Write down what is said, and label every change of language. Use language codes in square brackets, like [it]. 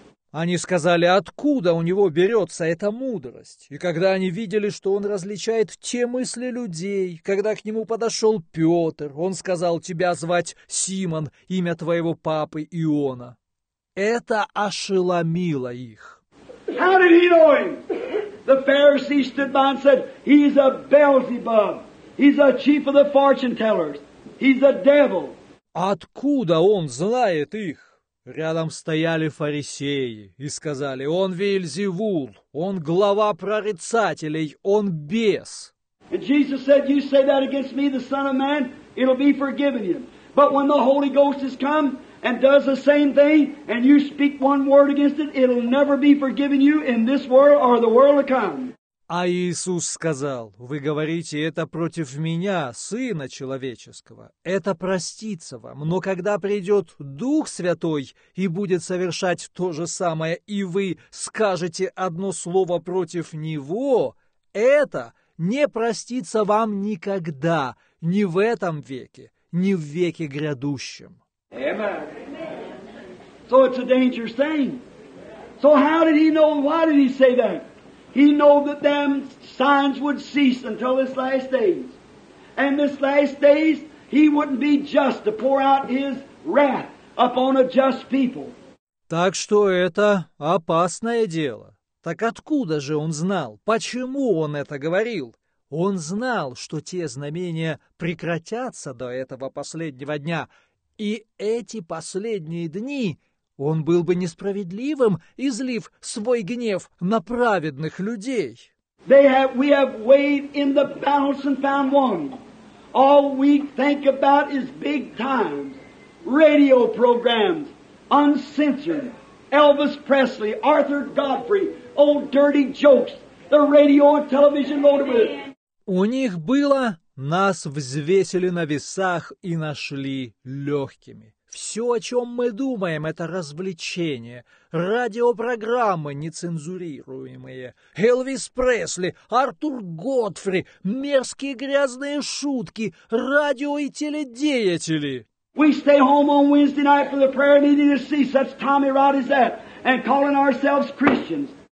[ru] Они сказали, откуда у него берется эта мудрость? И когда они видели, что он различает те мысли людей, когда к нему подошел Петр, он сказал, тебя звать Симон, имя твоего папы Иона. Это ошеломило их. [en] How did he know him? The Pharisees stood by and said, he's a Beelzebub, he's a chief of the fortune tellers, he's a devil. [ru] Откуда он знает их? Рядом стояли фарисеи и сказали, он Вельзевул, он глава прорицателей, он бес. [en] And Jesus said, you say that against me, the Son of Man, it'll be forgiven you. But when the Holy Ghost has come and does the same thing, and you speak one word against it, it'll never be forgiven you in this world or the world to come. [ru] А Иисус сказал, вы говорите это против меня, Сына Человеческого. Это простится вам, но когда придет Дух Святой и будет совершать то же самое, и вы скажете одно слово против Него, это не простится вам никогда, ни в этом веке, ни в веке грядущем. [en] So it's a dangerous thing. So how did he know, why did he say that? He knew that them signs would cease until this last days. And this last days, he wouldn't be just to pour out his wrath upon a just people. [ru] Так что это опасное дело. Так откуда же он знал? Почему он это говорил? Он знал, что те знамения прекратятся до этого последнего дня. И эти последние дни... Он был бы несправедливым, излив свой гнев на праведных людей. [en] We have weighed in the balance and found one. All we think about is big times, radio programs, uncensored, Elvis Presley, Arthur Godfrey, old dirty jokes, the radio and television loaded with. [ru] У них было, нас взвесили на весах и нашли легкими. Все, о чем мы думаем, это развлечения, радиопрограммы нецензурируемые, Элвис Пресли, Артур Годфри, мерзкие грязные шутки, радио и теледеятели. [en] We stay home on Wednesday night for the prayer meeting to see such Tommy Rod as that, and calling ourselves Christians.